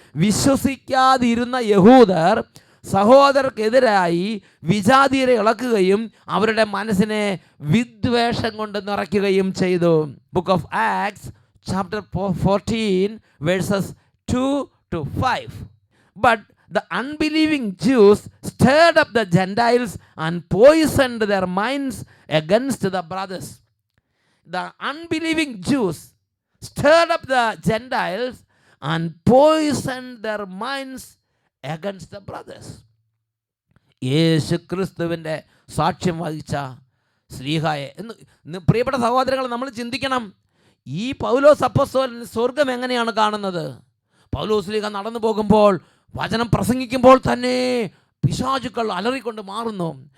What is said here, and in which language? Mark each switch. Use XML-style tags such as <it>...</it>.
<ml>വിശ്വസിക്കാതിരുന്ന യഹൂദർ സഹോദരർക്കെതിരായി വിജാതീയരെ ഇളക്കുകയും അവരുടെ മനസ്സിനെ വിദ്വേഷം കൊണ്ട് നിറയ്ക്കുകയും ചെയ്തു.</ml> <en>Book of Acts chapter 14 verses 2-5. But the unbelieving Jews stirred up the Gentiles and poisoned their minds against the brothers. The unbelieving Jews stirred up the Gentiles and poisoned their minds against the brothers.</en> <ml>യേശു ക്രിസ്തുവിൻ്റെ സാക്ഷ്യം വഹിച്ച സ്ലീഹായെ എന്ന് പ്രിയപ്പെട്ട സഹോദരങ്ങൾ നമ്മൾ ചിന്തിക്കണം. ഈ പൗലോസ് അപ്പോസ്തലൻ സ്വർഗം എങ്ങനെയാണ് കാണുന്നത്? പൗലോസ് സ്ലീഹ നടന്നു പോകുമ്പോൾ, വചനം പ്രസംഗിക്കുമ്പോൾ തന്നെ പിശാചുക്കൾ അലറിക്കൊണ്ട് മാറുന്നു.</ml>